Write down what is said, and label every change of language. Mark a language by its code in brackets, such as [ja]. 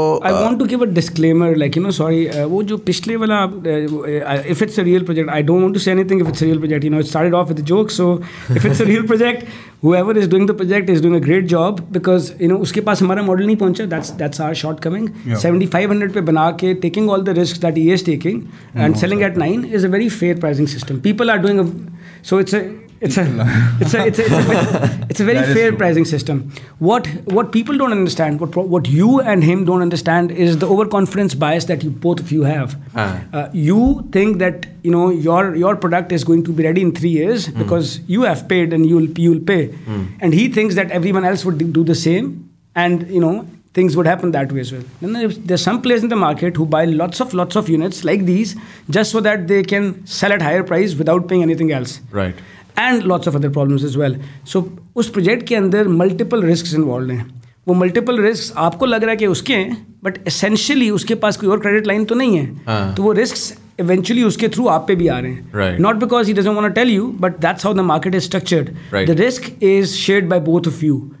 [en] I want to give a disclaimer like you know sorry वो जो पिछले वाला if it's a real project I don't want to say anything if it's a real project you know it started off with a joke so if it's a real project whoever is doing the project is doing a great job because you know [hi] उसके पास हमारा model नहीं पहुंचा [en] That's our shortcoming 7500 पे बना के taking all the risk that he is taking and selling at 9 is a very fair pricing system people are doing so it's It's a very fair pricing system. What people don't understand, what you and him don't understand, is the overconfidence bias that you both of you have. You think that you know your product is going to be ready in 3 years because you have paid and you'll pay, and he thinks that everyone else would do the same, and you know things would happen that way as well. Then there's some players in the market who buy lots of units like these just so that they can sell at higher price without paying anything else. Right. And lots of other problems as well. [hi] So, उस project के अंदर multiple risk involve हैं वो multiple risk आपको लग रहा है कि उसके हैं बट एसेंशियली उसके पास कोई और क्रेडिट लाइन तो नहीं है तो वो रिस्क इवेंचुअली उसके थ्रू आप पे भी आ रहे हैं [en] not because he doesn't want tell you but that's how the market is structured the risk is shared by both of you